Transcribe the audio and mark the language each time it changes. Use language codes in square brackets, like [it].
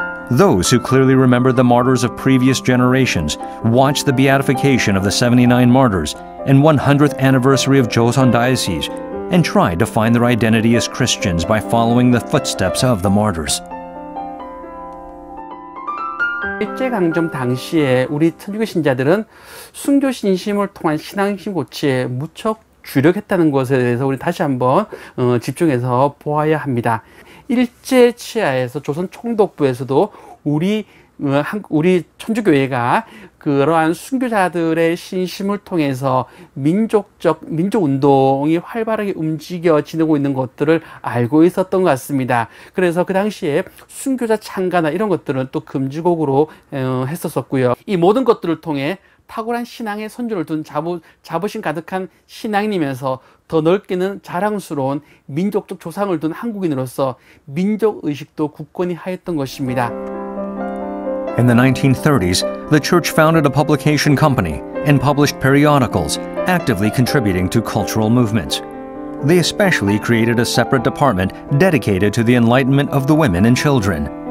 [en] Those who clearly remember the martyrs of previous generations watched the beatification of the 79 martyrs and 100th anniversary of Joseon Diocese and tried to find their identity as Christians by following the footsteps of the martyrs. [ko] 일제강점 당시에 우리 천주교 신자들은 순교 신심을 통한 신앙심 고치에 무척 주력했다는 것에 대해서 우리 다시 한번 집중해서 보아야 합니다. 일제 치하에서 조선 총독부에서도 우리 천주교회가 그러한 순교자들의 신심을 통해서 민족적 민족운동이 활발하게 움직여 지내고 있는 것들을 알고 있었던 것 같습니다. 그래서 그 당시에 순교자 창가나 이런 것들은 또 금지곡으로 했었었고요. 이 모든 것들을 통해 탁월한 신앙의 선조를 둔 자부심 가득한 신앙인이면서 더 넓게는 자랑스러운 민족적 조상을 둔 한국인으로서 민족의식도 굳건히 하였던 것입니다. [en] In the 1930s, the church founded a publication company and published periodicals, actively contributing to cultural movements. They especially created a separate department dedicated to the enlightenment of the women and children.